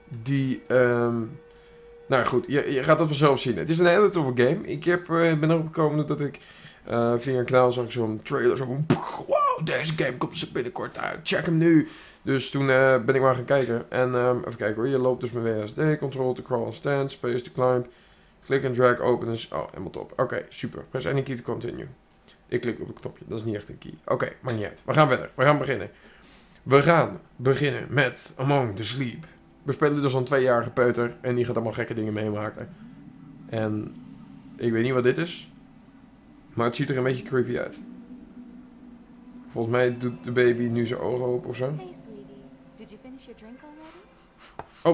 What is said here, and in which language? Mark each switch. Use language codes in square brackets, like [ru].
[nl] Die, nou goed, je gaat dat vanzelf zien. Het is een hele toffe game. Ik ben erop gekomen dat ik via een kanaal zag zo'n trailer. Zo'n, wow, deze game komt ze binnenkort uit. Check hem nu. Dus toen ben ik maar gaan kijken. En even kijken hoor. Je loopt dus met WASD. [en] Control to crawl and stand. Space to climb. Click and drag. Open. [nl] Oh, helemaal top. Oké, super. [en] Press any key to continue. [nl] Ik klik op het knopje. Dat is niet echt een key. Oké, maakt niet uit. We gaan verder. We gaan beginnen met Among the Sleep. We spelen dus een tweejarige peuter. En die gaat allemaal gekke dingen meemaken. En ik weet niet wat dit is. Maar het ziet er een beetje creepy uit. Volgens mij doet de baby nu zijn ogen open of zo. [en] Did you finish your drink already?